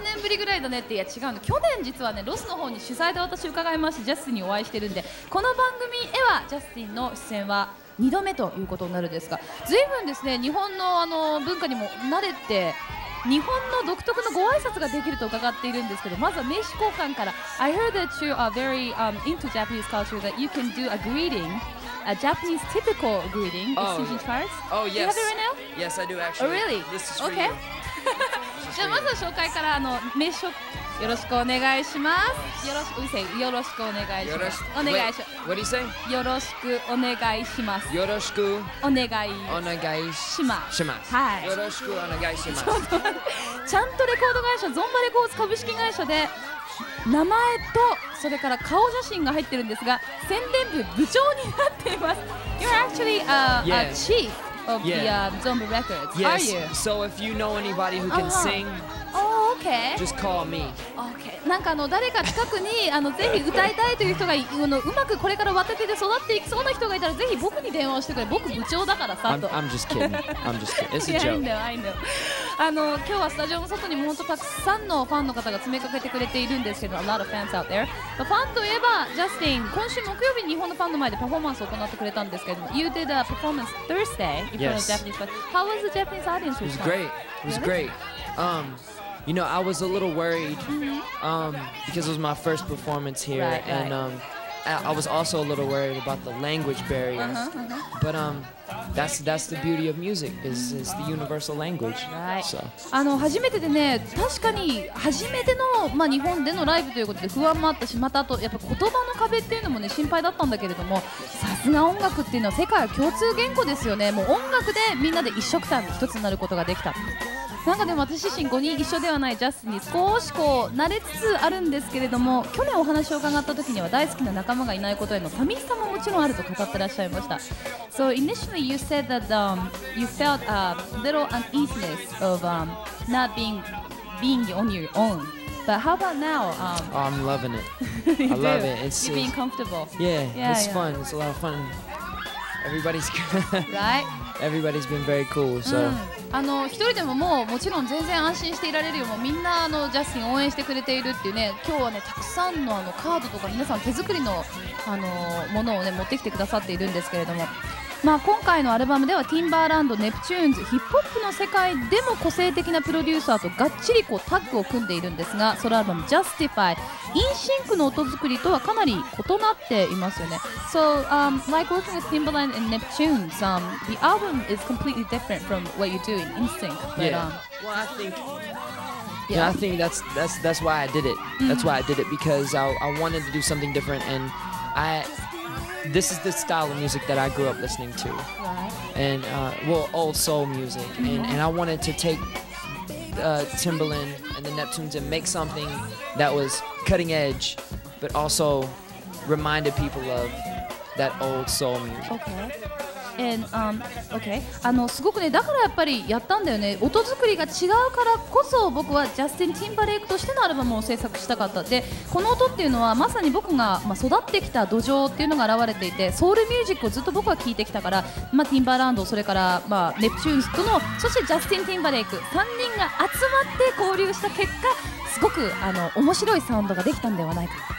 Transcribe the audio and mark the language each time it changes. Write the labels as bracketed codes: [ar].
[ja] 3年ぶりぐらいだねって。いや違うの、去年実はねロスの方に取材で私伺いまして Justin にお会いしてるんで、この番組へは Justin の出演は2度目ということになるんですが、ずいぶんですね日本のあの文化にも慣れて日本の独特のご挨拶ができると伺っているんですけど、まずは名刺交換から。 [en] I heard that you are very into Japanese culture, that you can do a greeting, a Japanese typical greeting exchange cards. Oh yes. Do you have it right now? Yes, I do actually. Oh really? This is for okay. you. [ja] じゃあまずは紹介からあの名刺をよろしくお願いします。よろしくお願いします。よろしくお願いします。 [en] What do you say? [ja] よろしくお願いします。よろしくお願いします。します。はい、よろしくお願いします。ちょっと待って、ちゃんとレコード会社ゾンバレコーズ株式会社で名前とそれから顔写真が入ってるんですが、宣伝部部長になっています。 [en] You're actually a chief of the Zomba Records. Yes. Are you? So if you know anybody who can sing Okay. Just call me. Okay. [ja] なんかあの誰か近くにあのぜひ歌いたいという人が、あのうまくこれから渡って育っていきそうな人がいたらぜひ僕に電話をしてくれ。僕部長だからさと。 [en] I'm just kidding. I'm just kidding. It's a joke. I know. I know. [ja] あの今日はスタジオの外にもっとたくさんのファンの方が詰めかけてくれているんですけど、 [en] a lot of fans out there. [ja] ファンといえばジャスティン。今週木曜日に日本のファンの前でパフォーマンスを行ってくれたんですけど、 [en] You did a performance Thursday in front of Japanese fans. How was the Japanese audience response? It was great. It was great. You know, I was a little worried because it was my first performance here, right, and I was also a little worried about the language barriers. Uh-huh, uh-huh. But that's the beauty of music is the universal language. Right. So. [ja] あの初めてでね、確かに初めてのまあ日本でのライブということで不安もあったし、またあとやっぱ言葉の壁っていうのもね心配だったんだけれども、さすが音楽っていうのは世界は共通言語ですよね。もう音楽でみんなで一緒くたに一つになることができた。なんかでも私自身5人一緒ではないジャスティンに少しこう慣れつつあるんですけれども、去年お話を伺った時には大好きな仲間がいないことへの寂しさももちろんあると語ってらっしゃいました。 [en] So initially you said that you felt a little uneasiness of not being on your own, but how about now? I'm loving it. I love it. It's you're being comfortable. Yeah, it's fun. It's a lot of fun. Everybody's right. Everybody's been very cool. So.、 [ja] うん、あの一人でももうもちろん全然安心していられるよ。もうみんなあのジャスティン応援してくれているっていうね、今日はねたくさんのあのカードとか皆さん手作りのあのものをね持ってきてくださっているんですけれども、まあ今回のアルバムではティンバーランド、ネプチューンズ、ヒップホップの世界でも個性的なプロデューサーとがっちりこうタッグを組んでいるんですが、ソロアルバム Justify、 インシンクの音作りとはかなり異なっていますよね。 [en] So like working with Timbaland and Neptunes, the album is completely different from what you do in Instinct. But, I think that's why I did it. That's why I did it, because I wanted to do something different, and I this is the style of music that I grew up listening to, and well, old soul music, and I wanted to take Timbaland and the Neptunes and make something that was cutting edge, but also reminded people of that old soul music. Okay. And, okay. [ja] すごくね、だからやっぱりやったんだよね。音作りが違うからこそ僕はジャスティン・ティンバレイクとしてのアルバムを制作したかった。で、この音っていうのはまさに僕が、まあ、育ってきた土壌っていうのが現れていて、ソウルミュージックをずっと僕は聴いてきたから、まあ、ティンバーランド、それから、まあ、ネプチューンズとの、そしてジャスティン・ティンバレイク3人が集まって交流した結果、すごく面白いサウンドができたんではないか。